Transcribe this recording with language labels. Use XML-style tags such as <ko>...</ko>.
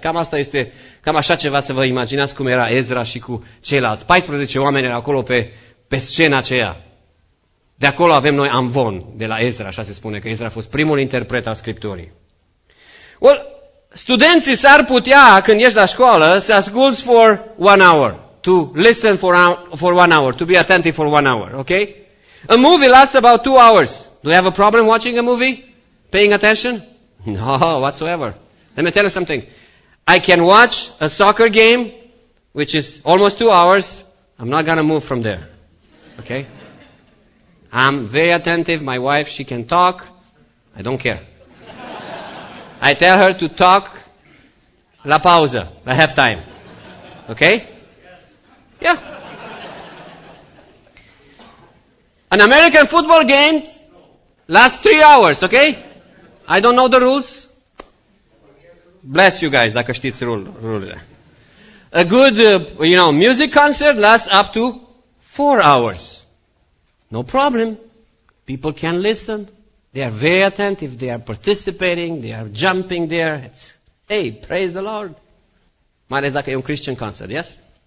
<ro>Cam asta este, cam așa ceva să vă imaginați cum era Ezra și cu ceilalți. 14 oameni erau acolo pe scena aceea. De acolo avem noi amvon de la Ezra, așa se spune, că Ezra a fost primul interpret al Scripturii.</ro> <en>Well,</en> <ro>studenții s-ar putea, când ești la școală, să asculți</ro> <en>for one hour. To listen for one hour, to be attentive for one hour, ok? A movie lasts about two hours. Do you have a problem watching a movie? Paying attention? No, whatsoever. Let me tell you something. I can watch a soccer game, which is almost two hours. I'm not going to move from there. Okay? I'm very attentive. My wife, she can talk. I don't care. I tell her to talk</en> <ro>la pausa, la</ro> <en>halftime. Okay? Yes. Yeah. An American football game lasts 3 hours, okay? I don't know the rules. Bless you guys,</en> <ro>dacă știți rulele.</ro> <en>A good, you know, music concert lasts up to 4 hours. No problem. People can listen. They are very attentive. They are participating. They are jumping there. It's, hey, praise the Lord.</en> <ro>Mai ales dacă e un</ro> <en>Christian concert, yes?</en>